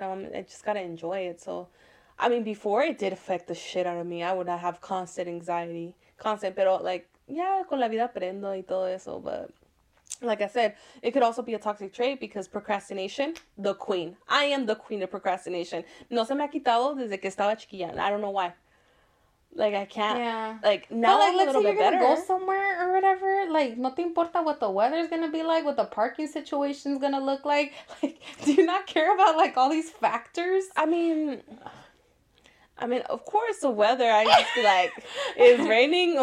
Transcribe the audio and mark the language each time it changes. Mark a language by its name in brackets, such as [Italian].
[English] I just got to enjoy it. So, I mean, before it did affect the shit out of me, I would not have constant anxiety. Constant. Pero, like, yeah, con la vida aprendo y todo eso. But, like I said, it could also be a toxic trait because procrastination, the queen. I am the queen of procrastination. [Spanish] No se me ha quitado desde que estaba chiquilla. [English] I don't know why. Like, I can't. Yeah. Like, now but, like, I'm a little bit better. But, like, let's say you're going to go somewhere or whatever. Like, no te importa what the weather's going to be like, what the parking situation's going to look like. Like, do you not care about, like, all these factors? I mean, of course, the weather, I just be like, it's raining?